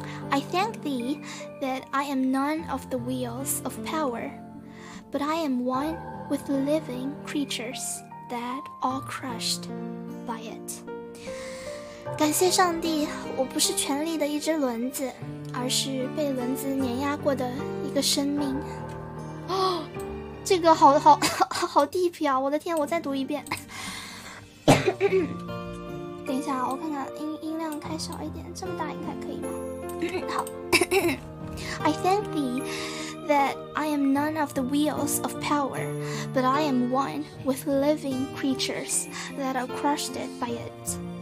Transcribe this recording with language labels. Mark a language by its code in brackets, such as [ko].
[en] I thank thee that I am none of the wheels of power, but I am one with living creatures that are crushed by it. [zh] 感谢上帝，我不是权力的一只轮子，而是被轮子碾压过的一个生命。这个好 deep 呀！我的天，我再读一遍。等一下，我看看音量开小一点，这么大应该可以吗？好。 [en] I thank thee that I am none of the wheels of power, but I am one with living creatures that are crushed by it.